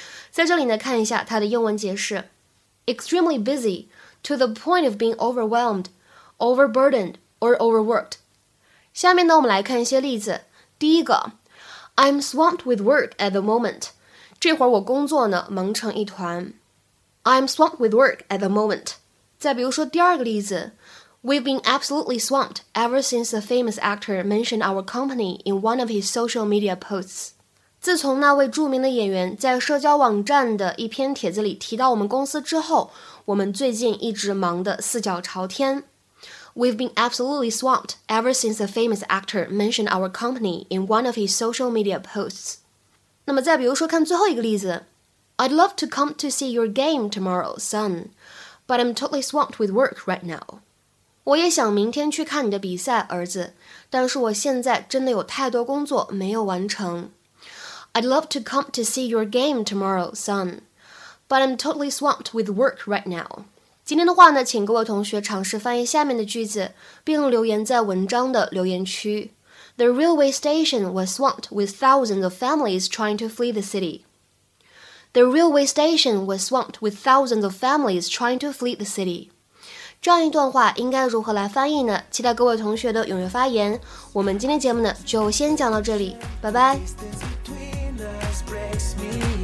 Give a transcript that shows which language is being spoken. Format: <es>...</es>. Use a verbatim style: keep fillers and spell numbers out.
<zh>在这里呢，看一下它的英文解释</zh> <en>：extremely busy to the point of being overwhelmed, overburdened or overworked。</en> <zh>下面呢，我们来看一些例子。第一个</zh> <en>，I'm swamped with work at the moment。</en> <zh>这会儿我工作呢忙成一团。</zh> <en>I'm swamped with work at the moment。</en> <zh>再比如说第二个例子</zh> <en>，We've been absolutely swamped ever since the famous actor mentioned our company in one of his social media posts。</en> <zh>自从那位著名的演员在社交网站的一篇帖子里提到我们公司之后，我们最近一直忙得四脚朝天。</zh> <en>We've been absolutely swamped ever since the famous actor mentioned our company in one of his social media posts.</en> <zh>那么再比如说看最后一个例子</zh> <en>I'd love to come to see your game tomorrow, son, but I'm totally swamped with work right now.</en> <zh>我也想明天去看你的比赛，儿子，但是我现在真的有太多工作没有完成。</zh> <en>I'd love to come to see your game tomorrow, son, but I'm totally swamped with work right now.</en> <zh>今天的话呢，请各位同学尝试翻译下面的句子，并留言在文章的留言区。</zh> <en>The railway station was swamped with thousands of families trying to flee the city. The railway station was swamped with thousands of families trying to flee the city.</en> <zh>这样一段话应该如何来翻译呢？期待各位同学的踊跃发言。我们今天节目呢就先讲到这里，拜拜。</zh>